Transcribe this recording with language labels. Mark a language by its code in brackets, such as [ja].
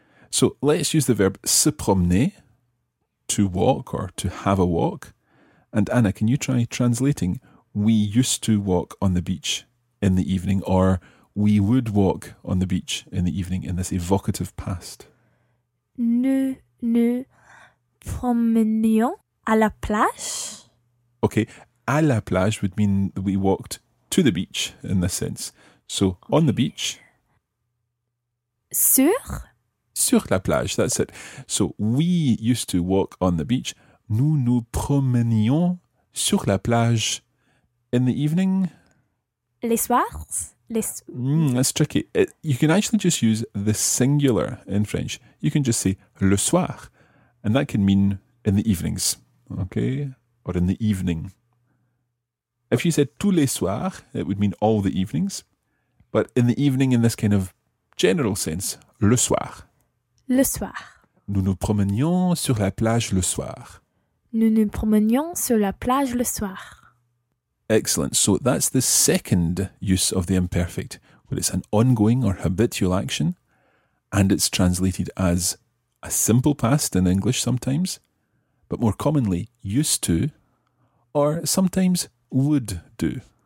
[en] So let's use the verb [fr] se promener, [en] to walk or to have a walk. And Anna, can you try translating we used to walk on the beach in the evening or we would walk on the beach in the evening in this evocative past? [fr] Nous promenions à la plage. [en] Okay, [fr] à la plage [en] would mean that we walked to the beach in this sense. So, on the beach. [fr] Sur la plage, [en] that's it. So, we used to walk on the beach. [fr] Nous promenions sur la plage [en] in the evening. [fr] Les soirs. [en] That's tricky. You can actually just use the singular in French. You can just say le soir, and that can mean in the evenings, okay? Or in the evening. If you said [fr] tous les soirs, [en] it would mean all the evenings. But in the evening, in this kind of general sense, le soir. [fr] Le soir. Nous nous promenions sur la plage le soir. Nous nous promenions sur la plage le soir. [en] Excellent. So that's the second use of the imperfect, where it's an ongoing or habitual action, and it's translated as a simple past in English sometimes, but more commonly used to, or sometimes would do.